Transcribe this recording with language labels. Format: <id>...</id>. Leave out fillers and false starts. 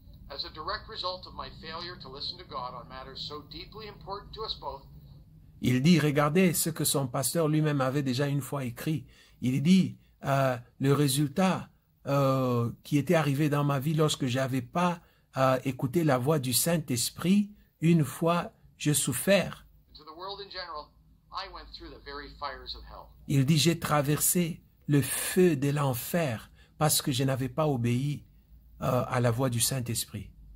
<en>As a direct result of my failure to listen to God on matters so deeply important to us both.</en> <fr>Il dit, regardez ce que son pasteur lui-même avait déjà une fois écrit. Il dit, le résultat qui était arrivé dans ma vie lorsque j'avais pas écouté la voix du Saint-Esprit, une fois j'ai souffert.</fr> <en>To the world in general, I went through the very fires of hell.</en> <fr>Il dit, j'ai traversé le feu de l'enfer parce que je n'avais pas obéi à la voix du Saint-Esprit.</fr>